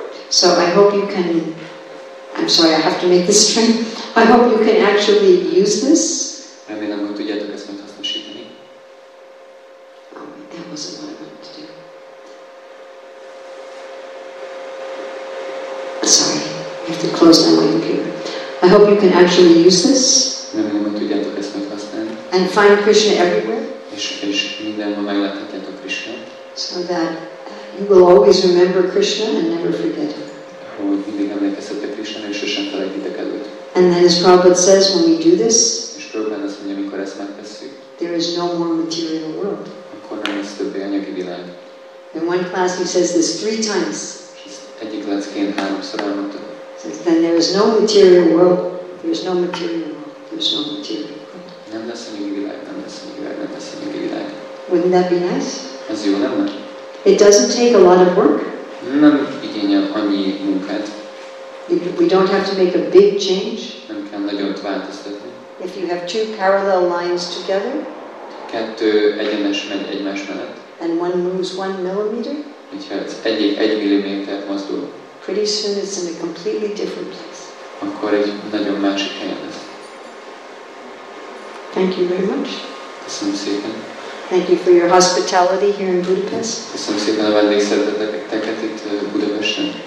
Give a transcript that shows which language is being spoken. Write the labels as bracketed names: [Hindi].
[English] So I hope you can, I'm sorry, I have to make this string. I hope you can actually use this. [Hungarian] Remélem, hogy tudjátok ezt majd hasznosítani. [English] That wasn't what I wanted to do. Sorry, you have to close down my computer. I hope you can actually use this. [Hungarian] Remélem, hogy tudjátok ezt majd használni. [English] And find Krishna everywhere. [Hungarian] És mindenhol megláthatjátok Krishnát. [English] So that you will always remember Krishna and never forget him. [Hungarian] Hogy mindig emlékeztetek Krishna, és sosem felejtitek el őt. [English] And then as Prabhupada says, when we do this, [Hungarian] és Prabhupada azt mondja, amikor ezt megtesszük, [English] there is no more material world. [Hungarian] Akkor nem lesz többé anyagi világ. [English] In one class he says this three times. [Hungarian] Egyik leckén háromszor elmondta. [English] Says, then there is no material world. There is no material world. There is no material world. [Hungarian] Nem lesz anyagi világ, nem lesz anyagi világ, nem lesz anyagi világ. [English] Wouldn't that be nice? [Hungarian] Ez jó lenne. [English] It doesn't take a lot of work. [Hungarian] Nem igényel annyi munkát. [English] We don't have to make a big change. [Hungarian] Nem kell nagyot változtatni. [English] If you have two parallel lines together, [Hungarian] kettő egyenes megy egymás mellett, [English] and one moves one millimeter, [Hungarian] hogyha ez egy milliméter mozdul, [English] pretty soon it's in a completely different place. [Hungarian] Akkor egy nagyon másik helyen lesz. [English] Thank you very much. [Hungarian] Köszönöm szépen. [English] Thank you for your hospitality here in Budapest. [Hungarian] Köszönöm szépen a vendégszeretetet itt Budapesten.